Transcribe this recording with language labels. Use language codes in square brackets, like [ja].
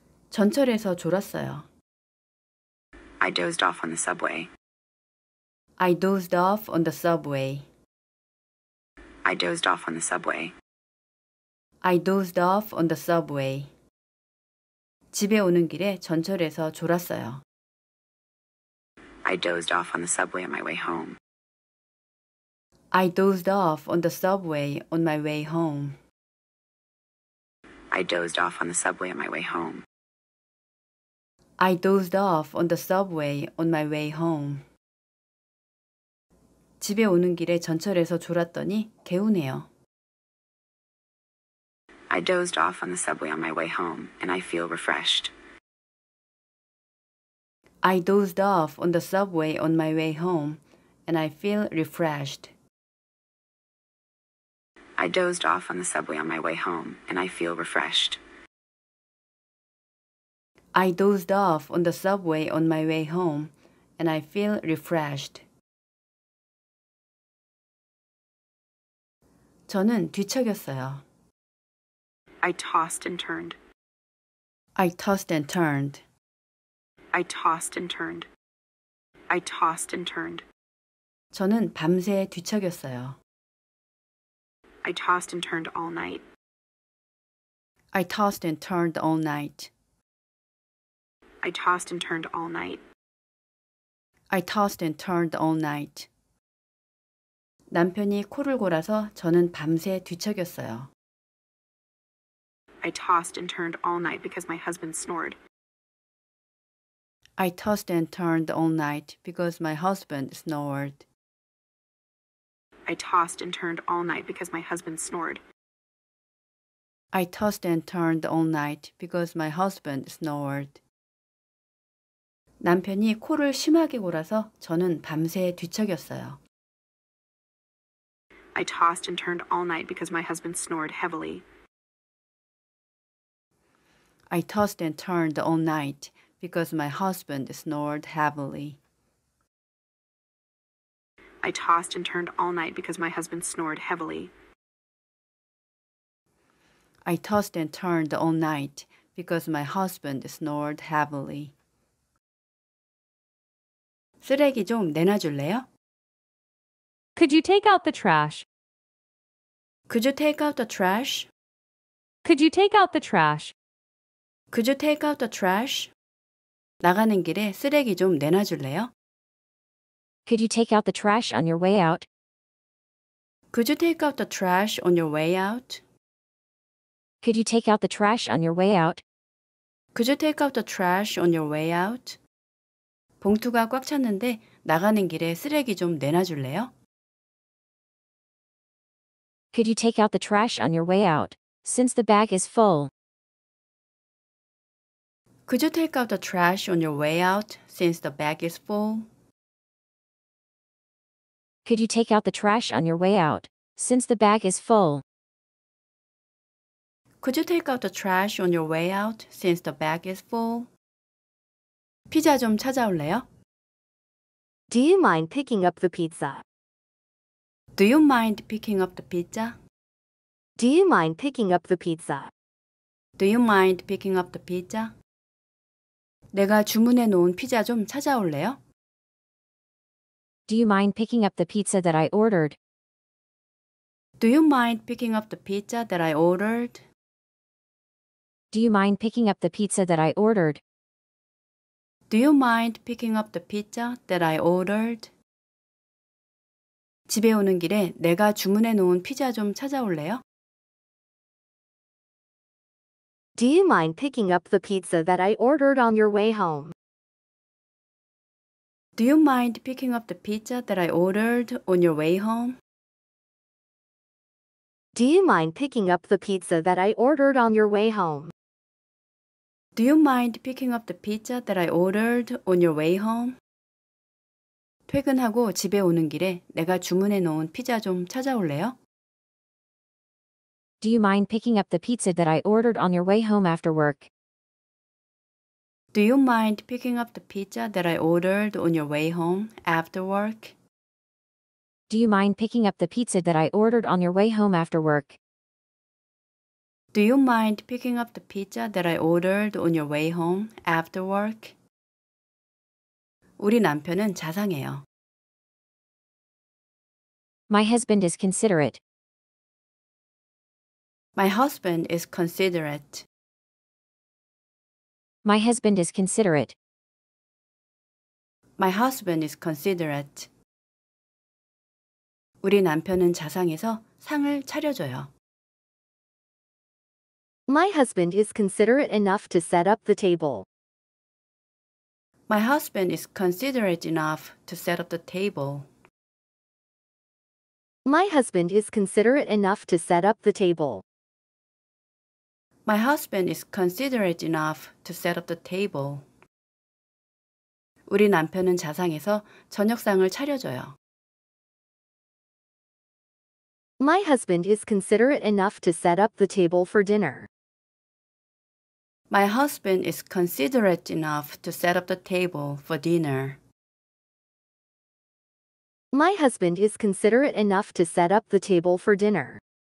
[ko] 전철에서 졸았어요. [en] I dozed off on the subway. I dozed off on the subway. I dozed off on the subway. I dozed off on the subway. [ko] 집에 오는 길에 전철에서 졸았어요. [en] I dozed off on the subway on my way home. I dozed off on the subway on my way home. I dozed off on the subway on my way home. I dozed off on the subway on my way home. [ko] 집에 오는 길에 전철에서 졸았더니 개운해요. [en] I dozed off on the subway on my way home and I feel refreshed. I dozed off on the subway on my way home and I feel refreshed. I dozed off on the subway on my way home and I feel refreshed. I dozed off on the subway on my way home and I feel refreshed. [ko] 저는 뒤척였어요. [en] I tossed and turned. I tossed and turned. I tossed and turned. I tossed and turned. [ko] 저는 밤새 뒤척였어요. [en] I tossed and turned all night. I tossed and turned all night. I tossed and turned all night. I tossed and turned all night. [ko] 남편이 코를 골아서 저는 밤새 뒤척였어요. [en] I tossed and turned all night because my husband snored. I tossed and turned all night because my husband snored. I tossed and turned all night because my husband snored. I tossed and turned all night because my husband snored. [ko] 남편이 코를 심하게 골아서 저는 밤새 뒤척였어요. [en] I tossed and turned all night because my husband snored heavily. I tossed and turned all night because my husband snored heavily. I tossed and turned all night because my husband snored heavily. I tossed and turned all night because my husband snored heavily. [ko] 쓰레기 좀 내놔줄래요? [en] Could you take out the trash? Could you take out the trash? Could you take out the trash? Could you take out the trash? [ko] 나가는 길에 쓰레기 좀 내놔줄래요? [en] Could you take out the trash on your way out? Could you take out the trash on your way out? Could you take out the trash on your way out? Could you take out the trash on your way out? [ko] 봉투가 꽉 찼는데 나가는 길에 쓰레기 좀 내놔줄래요? [en] Could you take out the trash on your way out, since the bag is full? Could you take out the trash on your way out, since the bag is full? Could you take out the trash on your way out, since the bag is full? Could you take out the trash on your way out, since the bag is full? [ko] 피자 좀 찾아올래요? [en] Do you mind picking up the pizza? Do you mind picking up the pizza? Do you mind picking up the pizza? Do you mind picking up the pizza? [ko] 내가 주문해 놓은 피자 좀 찾아올래요? [en] Do you mind picking up the pizza that I ordered? Do you mind picking up the pizza that I ordered? Do you mind picking up the pizza that I ordered? Do you mind picking up the pizza that I ordered? [ko] 집에 오는 길에 내가 주문해 놓은 피자 좀 찾아올래요? [en] Do you mind picking up the pizza that I ordered on your way home? Do you mind picking up the pizza that I ordered on your way home? Do you mind picking up the pizza that I ordered on your way home? Do you mind picking up the pizza that I ordered on your way home? [ko] 퇴근하고 집에 오는 길에 내가 주문해 놓은 피자 좀 찾아올래요? [en] Do you mind picking up the pizza that I ordered on your way home after work? Do you mind picking up the pizza that I ordered on your way home after work? Do you mind picking up the pizza that I ordered on your way home after work? Do you mind picking up the pizza that I ordered on your way home after work? [ko] 우리 남편은 자상해요. [en] My husband is considerate. My husband is considerate. My husband is considerate. My husband is considerate. [ko] 우리 남편은 자상해서 상을 차려줘요. [en] My husband is considerate enough to set up the table. My husband is considerate enough to set up the table. My husband is considerate enough to set up the table. My husband is considerate enough to set up the table. [ko] 우리 남편은 자상해서 저녁상을 차려줘요. [en] My husband is considerate enough to set up the table for dinner. My husband is considerate enough to set up the table for dinner. My husband is considerate enough to set up the table for dinner.